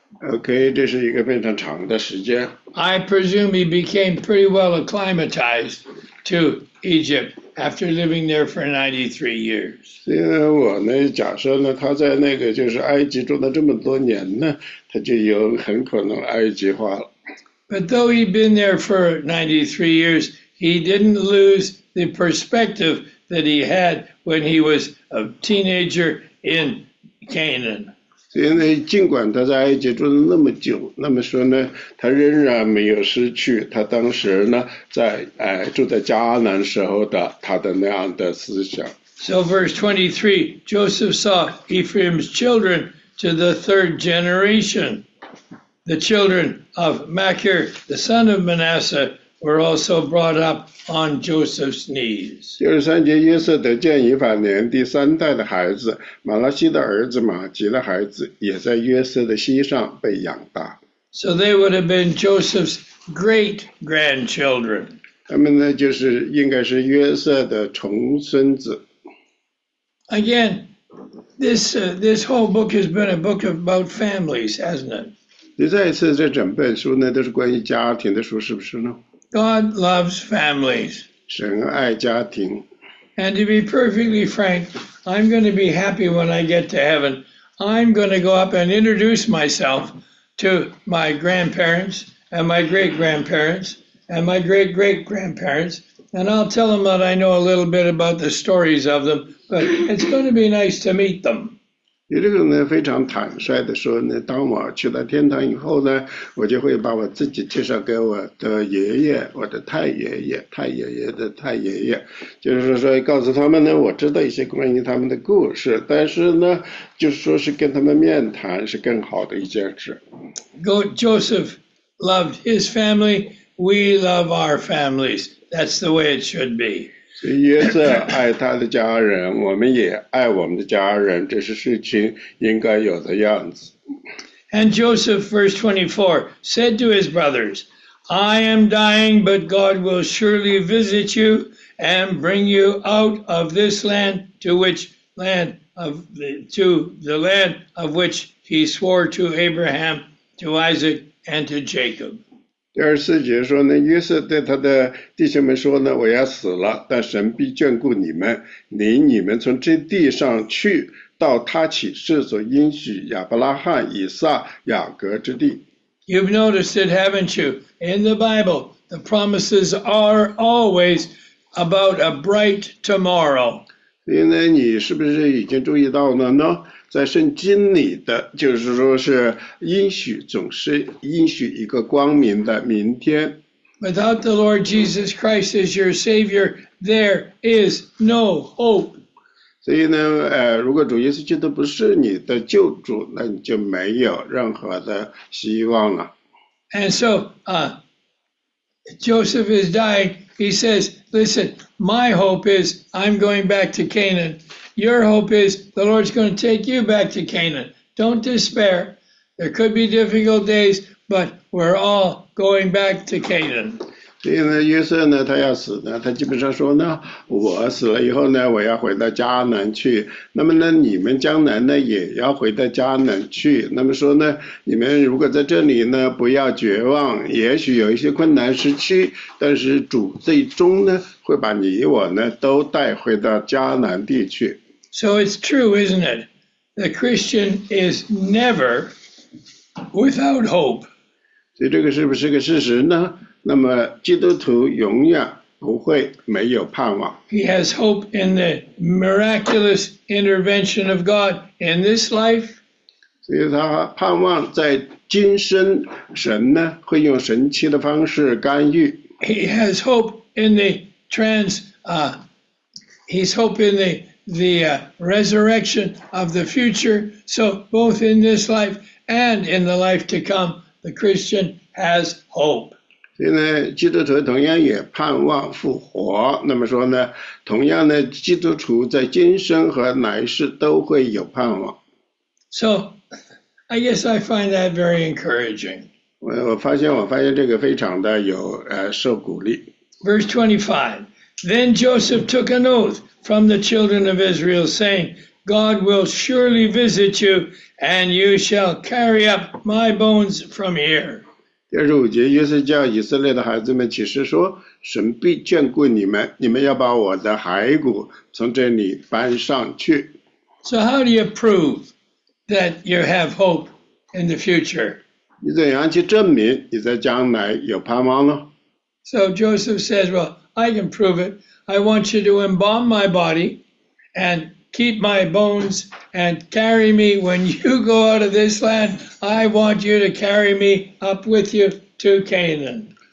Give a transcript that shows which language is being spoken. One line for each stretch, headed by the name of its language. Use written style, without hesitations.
Chinese: Okay, 这是一个非常长的时间。
English: I presume he became pretty well acclimatized to Egypt after living there for 93 years.
Chinese: 所以呢，我呢假设呢，他在那个就是埃及住了这么多年呢，他就有很可能埃及化了。
English: But though he'd been there for 93 years, he didn't lose the perspective that he had when he was a teenager in Canaan.
Chinese: 所以呢，尽管他在埃及住了那么久，那么说呢，他仍然没有失去他当时呢在住在迦南时候的他的那样的思想。
English: So verse 23, Joseph saw Ephraim's children to the third generation. The children of Machir, the son of Manasseh, were also brought up on Joseph's knees.
Chinese: 第二三节，约瑟得见以法莲第三代的孩子，马拉西的儿子马吉的孩子，也在约瑟的膝上被养大。
English: So they would have been Joseph's great grandchildren.
Chinese: 他们呢，就是应该是约瑟的重孙子。
English: Again, this whole book has been a book about families, hasn't it?
Chinese: 你再一次这整本书呢，都是关于家庭的书，是不是呢？
English: God loves families.
Chinese: 神爱家庭。
English: And to be perfectly frank, I'm going to be happy when I get to heaven. I'm going to go up and introduce myself to my grandparents and my great-grandparents and my great-great-grandparents, and I'll tell them that I know a little bit about the stories of them, but it's going to be nice to meet them.
Chinese: 你这个呢，非常坦率的说呢，当我去了天堂以后呢，我就会把我自己介绍给我的爷爷，我的太爷爷，太爷爷的太爷爷，就是说告诉他们呢，我知道一些关于他们的故事，但是呢，就是说是跟他们面谈是更好的一件事。
English: Joseph loved his family, we love our families. That's the way it should be.
Chinese: 约瑟爱他的家人，我们也爱我们的家人，这是事情应该有的样子。
English: And Joseph, verse 24, said to his brothers, I am dying, but God will surely visit you and bring you out of this land to the land of which he swore to Abraham, to Isaac, and to Jacob.
Chinese: 第二四节说呢，约瑟对他的弟兄们说呢，我要死了，但神必眷顾你们，领你们从这地上去到他起誓所应许亚伯拉罕、以撒、雅各之地。
English: You've noticed it, haven't you? In the Bible, the promises are always about a bright tomorrow.
Chinese: 所以呢，你是不是已经注意到了呢？在圣经里的就是说是应许总是应许一个光明的明天。
English: Without the Lord Jesus Christ as your Savior, there is no hope.
Chinese: 所以呢，如果主耶稣基督不是你的救主，那你就没有任何的希望了。
English: And so, Joseph is dying. He says, listen, my hope is I'm going back to Canaan. Your hope is the Lord's going to take you back to Canaan. Don't despair. There could be difficult days, but we're all going back to Canaan.
Chinese: 所以呢，约瑟呢，他要死呢，他基本上说呢，我死了以后呢，我要回到迦南去。那么呢，你们将来呢，也要回到迦南去。那么说呢，你们如果在这里呢，不要绝望，也许有一些困难时期，但是主最终呢，会把你我呢，都带回到迦南地区。
English: So it's true, isn't it? The Christian is never without hope.
Chinese: 所以这个是不是个事实呢？那么基督徒永远不会没有盼望。
English: He has hope in the miraculous intervention of God in this life.
Chinese: 所以他盼望在今生神呢会用神奇的方式干预。
English: He has hope in the resurrection of the future. So both in this life and in the life to come, the Christian has hope.
Chinese: 所以呢，基督徒同样也盼望复活。那么说呢，同样呢，基督徒在今生和来世都会有盼望。
English: So, I guess I find that very encouraging.
Chinese: 我发现这个非常的有受鼓励。
English: Verse 25, Then Joseph took an oath from the children of Israel, saying, God will surely visit you, and you shall carry up my bones from here.
Chinese: 第二十五节，约瑟叫以色列的孩子们起誓说：“神必眷顾你们，你们要把我的骸骨从这里搬上去。”
English: So how do you prove that you have hope in the future?
Chinese: 你怎样去证明你在将来有盼望呢？
English: So Joseph says, "Well, I can prove it. I want you to embalm my body and keep keep my bones and carry me when you go out of this land. I want you to carry me up with you to Canaan.